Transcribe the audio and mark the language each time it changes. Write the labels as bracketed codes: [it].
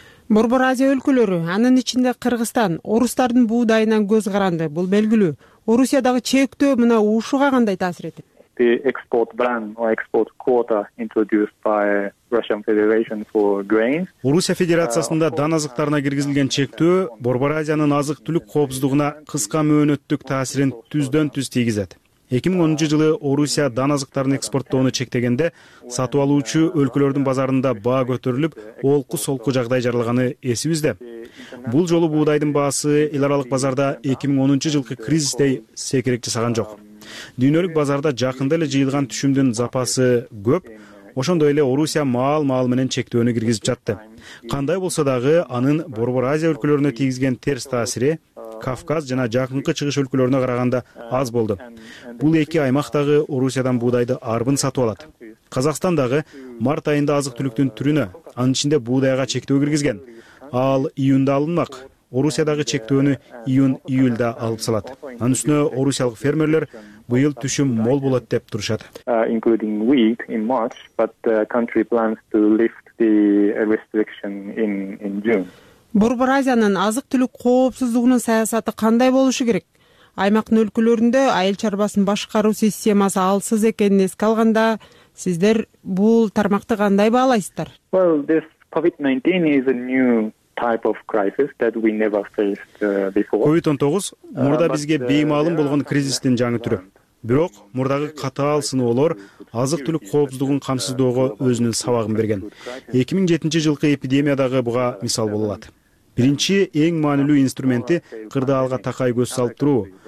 [ky] Борбор Азия өлкөлөрү, анын ичинде Кыргызстан орустардын буудайынан көз каранды. Бул белгилүү. Орусиядагы чектөө мына ушуга кандай таасир этет? [en] The export ban or export quota introduced by Russian Federation for grains. [ky] Орусия Федерациясында дан азыктарына киргизилген чектөө Борбор Азиянын азык-түлүк коопсуздугуна кыска мөөнөттүк таасирин түздөн түз тийгизет. 2010 жылы Орусия дан азыктарын экспорттоону чектегенде сатып алуучу өлкөлөрдүн базарында баа көтөрүлүп, олку-солку жагдай жаралганы эсибизде. Бул жолу буудайдын баасы эл аралык базарда 2010 жылкы кризистей секирек жасаган жок. Дүйнөлүк базарда жакында эле жыйылган түшүмдүн запасы көп, ошондой эле Орусия маал менен чектөөнү киргизип жатты. Кандай болсо дагы анын Борбор Азия өлкөлөрүнө тийгизген терс таасири Кавказ жана жакынкы чыгыш өлкөлөрүнө караганда аз болду. Бул эки аймак дагы Орусиядан буудайды арбын сатып алат. Казакстан дагы март айында азык-түлүктүн түрүнө, анын ичинде буудайга чектөө киргизген. Ал июнда алынмак. Орусиядагы чектөөнү июнь-июлда алып салат. Анын үстүнө орусиялык фермерлер быйыл түшүм мол болот деп турушат. [en] Including wheat in March, but the country plans to lift the restriction in June. [ky] Борбор Азиянын азык-түлүк коопсуздугунун саясаты кандай болушу керек? Аймактын өлкөлөрүндө айыл чарбасын башкаруу системасы алсыз экенин эске алганда, сиздер бул тармакты кандай баалайсыздар? [en] Well, this COVID-19 is a new type of crisis that we never faced before. [ky] COVID-19 мурда бизге беймаалым болгон кризистин жаңы түрү. Бирок мурдагы катаал сыноолор азык-түлүк коопсуздугун камсыздоого өзүнүн сабагын берген. 2007 жылкы эпидемиядагы буга мисал боло алат. Биринчи эң маанилүү инструменти кырдаалга такай көз салып туруу.